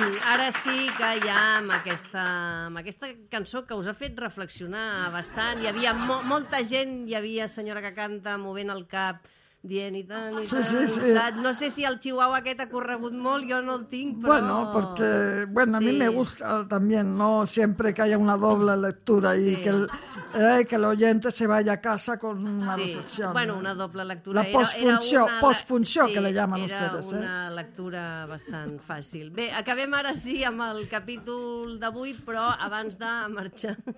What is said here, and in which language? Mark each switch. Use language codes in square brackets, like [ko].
[ca] ara sí que hi ha amb aquesta cançó que us ha fet reflexionar bastant. Hi havia molta gent, hi havia senyora que canta movent el cap, dient i tant, i tant. Sí, sí, sí. No sé si el chihuahua aquest ha corregut molt, jo no el tinc, però... [es] Bueno, porque, bueno, a sí. mi me gusta también, ¿no? Siempre que haya una doble lectura sí. y que el, que el oyente se vaya a casa con una sí. reflexión. Sí, bueno, una doble lectura. La postfunció, era una... postfunció sí, que le llaman era ustedes. [ca] Era una lectura bastant fàcil. Bé, acabem ara sí amb el capítol d'avui, però abans de marxar...